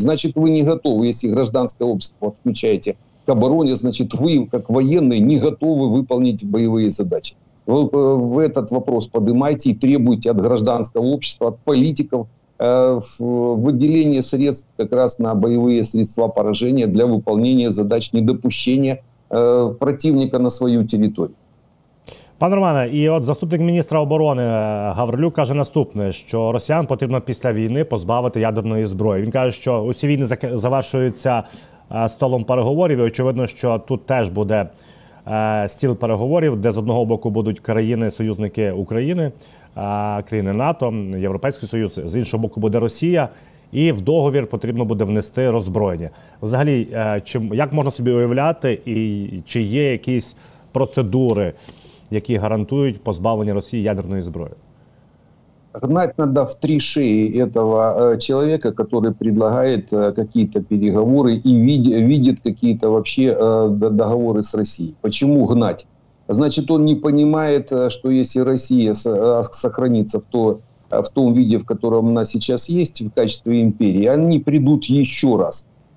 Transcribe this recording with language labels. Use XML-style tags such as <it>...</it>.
<ru>Значит, вы не готовы, если гражданское общество включаете к обороне, значит, вы как военные не готовы выполнить боевые задачи. В этот вопрос поднимайте и требуйте от гражданского общества, от политиков выделение средств как раз на боевые средства поражения для выполнения задач недопущения противника на свою территорию.</ru> <uk>Пане Романе, і от заступник міністра оборони Гаврилюк каже наступне, що росіян потрібно після війни позбавити ядерної зброї. Він каже, що усі війни завершуються столом переговорів, і очевидно, що тут теж буде стіл переговорів, де з одного боку будуть країни-союзники України, країни НАТО, Європейський Союз, з іншого боку буде Росія, і в договір потрібно буде внести роззброєння. Взагалі, як можна собі уявляти, і чи є якісь процедури, які гарантують позбавлення Росії ядерної зброї?</uk> <ru>Гнать надо в три шеи этого человека, который предлагает какие-то переговоры и видит какие-то вообще договоры с Россией. Почему гнать? Значит, он не понимает, что если Россия сохранится в том виде, в котором она сейчас есть в качестве империи, они придут еще раз.</ru>